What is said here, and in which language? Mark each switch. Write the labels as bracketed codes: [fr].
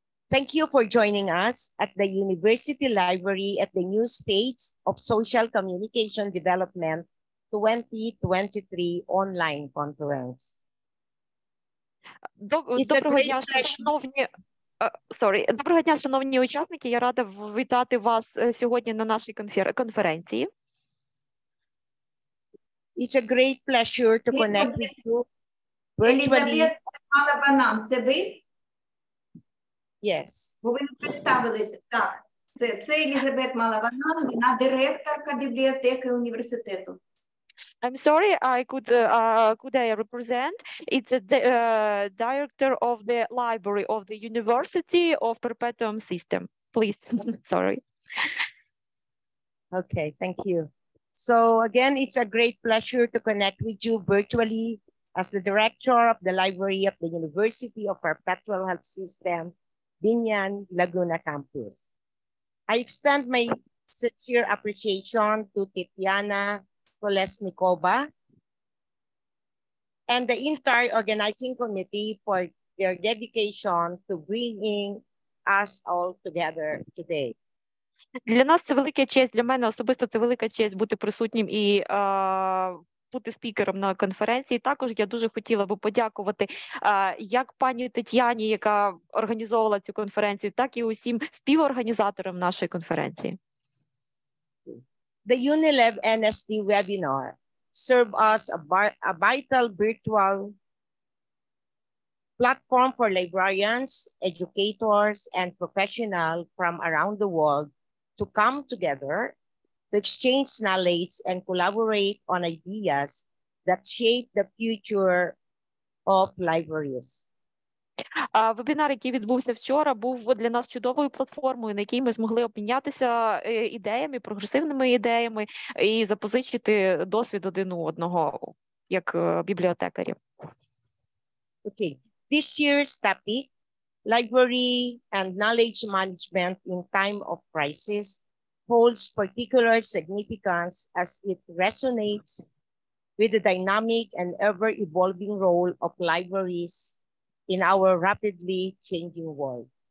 [en] Thank you for joining us at the University Library at the New States of Social Communication Development 2023 online conference. [uk] Доброго дня, шановні учасники. Я рада вітати вас сьогодні на нашій конференції. [en] It's a great pleasure to connect with you. [uk] Елізабет Банан, це ви? [en] Yes. [uk] Бо ви представились. Так, це Елізабет Малаванан, вона директорка бібліотеки університету. [en] I'm sorry, I could I represent? It's the director of the library of the University of Perpetuum System. Please, sorry. Okay, thank you. So again, it's a great pleasure to connect with you virtually as the director of the library of the University of Perpetual Health System, Binyan Laguna Campus. I extend my sincere appreciation to Tetiana Kolesnikova and the entire organizing committee for their dedication to bringing us all together today. [uk] Для нас це велика честь, для мене особисто це велика честь бути присутнім і бути спікером на конференції. Також я дуже хотіла би подякувати як пані Тетяні, яка організовувала цю конференцію, так і усім співорганізаторам нашої конференції. [en] The UniLibNSD webinar serves as a vital virtual platform for librarians, educators, and professionals from around the world to come together, to exchange knowledge, and collaborate on ideas that shape the future of libraries. [uk] Вебінар, який відбувся вчора, був для нас чудовою платформою, на якій ми змогли обмінятися ідеями, прогресивними ідеями і запозичити досвід один у одного як бібліотекарі. [en] Okay. This year's topic, Library and Knowledge Management in Time of Crisis, holds particular significance as it resonates with the dynamic and ever-evolving role of libraries in our rapidly changing world.